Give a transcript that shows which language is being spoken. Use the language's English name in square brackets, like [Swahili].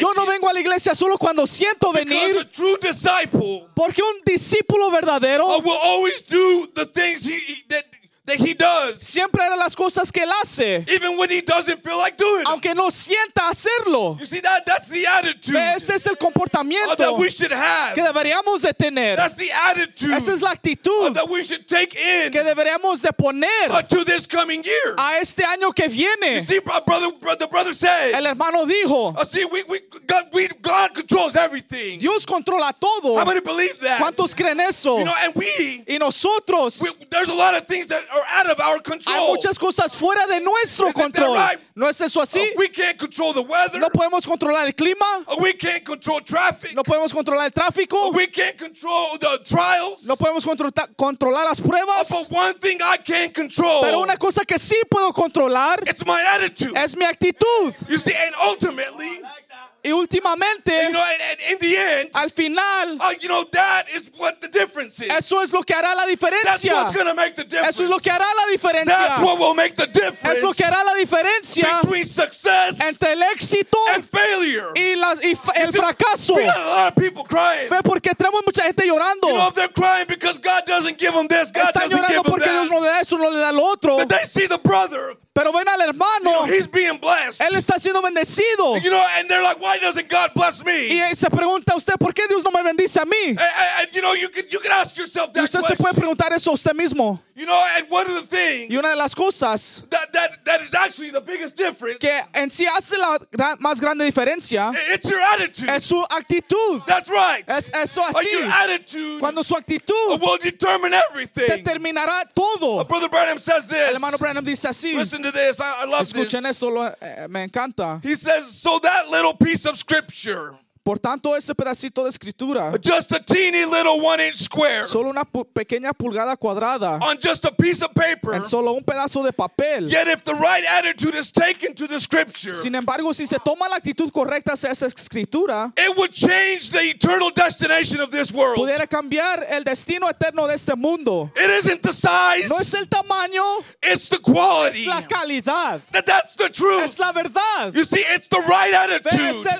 [Spanish] yo no vengo a la iglesia solo cuando siento venir. [English] Because a true disciple. [Spanish] Porque un discípulo verdadero [English] will always do the things that he does. [Spanish] Siempre hará las cosas que él hace. [English] Even when he doesn't feel like doing it. [Spanish] Aunque no sienta hacerlo. [English] You see, that's the attitude. [Spanish] Ese es el comportamiento [English] that we should have. [Spanish] Que deberíamos de tener. [English] That's the attitude. [Spanish] Esa es la actitud [English] that we should take in. [Spanish] Que deberíamos de poner [English] to this coming year. [Spanish] A este año que viene. [English] You see, brother said. [Spanish] El hermano dijo. [English] See, God controls everything. [Spanish] Dios controla todo. [English] How many believe that? [Spanish] ¿Cuántos creen eso? [English] You know, and we. [Spanish] Y nosotros. [English] There's a lot of things that are out of our control. [Spanish] Hay muchas cosas fuera de nuestro control. ¿No es eso así? [English] We can't control the weather. [Spanish] No podemos controlar el clima. [English] We can't control traffic. [Spanish] No podemos controlar el tráfico. [English] We can't control the trials. [Spanish] No podemos controlar las pruebas. [English] But one thing I can control. [Spanish] Pero una cosa que sí puedo controlar. [English] It's my attitude. [Spanish] Es mi actitud. [English] You see, and ultimately. Oh, I like that. [Spanish] Y últimamente, [English] you know, in the end, [Spanish] al final, [English] you know, that is what the difference is. [Spanish] Eso es lo que hará la diferencia. [English] That's what's going to make the difference. [Spanish] Eso es lo que hará la diferencia. [English] That's what will make the difference. [Spanish] Es lo que hará la diferencia [English] between success [Spanish] entre el éxito [English] and failure. [Spanish] Y la, y f- el see, fracaso. [English] We got a lot of people crying. [Spanish] Ve, porque tenemos mucha gente llorando. [English] You know, they're crying because God doesn't give them this, God [Spanish] están llorando [English] doesn't [Spanish] porque [English] give them that. [Spanish] Dios no le da eso, no le da lo otro. [English] But they see the brother. [Spanish] Pero ven al hermano. [English] You know, he's being blessed. [Spanish] Él está siendo bendecido. [English] You know, and they're like, why doesn't God bless me? [Spanish] Y se pregunta usted, ¿por qué Dios no me bendice a mí? [English] And you know, you can ask yourself that [Spanish] usted [English] question. [Spanish] Se puede preguntar eso usted mismo. [English] You know, and one of the things. [Spanish] Y una de las cosas. [English] That is actually the biggest difference. [Spanish] Que en sí hace la más grande diferencia. [English] It's your attitude. [Spanish] Es su actitud. [English] That's right. [Spanish] Es eso así. [English] Your attitude. [Spanish] Cuando su actitud. [English] Will determine everything. [Spanish] Determinará todo. [English] Brother Branham says this. [Spanish] El hermano Branham dice así. [English] Listen to this. I love [Spanish] escuchen [English] this. [Spanish] Esto, me encanta. [English] He says, so that little piece of scripture. [Spanish] Por tanto, ese pedacito de escritura, [English] just a teeny little 1-inch square. [Spanish] Solo una pequeña pulgada cuadrada, [English] on just a piece of paper. [Spanish] En solo un pedazo de papel. [English] Yet if the right attitude is taken to the scripture. [Spanish] Sin embargo, si se toma la actitud correcta hacia esa escritura, [English] it would change the eternal destination of this world. [Spanish] Pudiera cambiar el destino eterno de este mundo. [English] It isn't the size. [Spanish] No es el tamaño. [English] It's the quality. [Spanish] Es la calidad. [English] That's the truth. [Spanish] Es la verdad. [English] You see, it's the right attitude.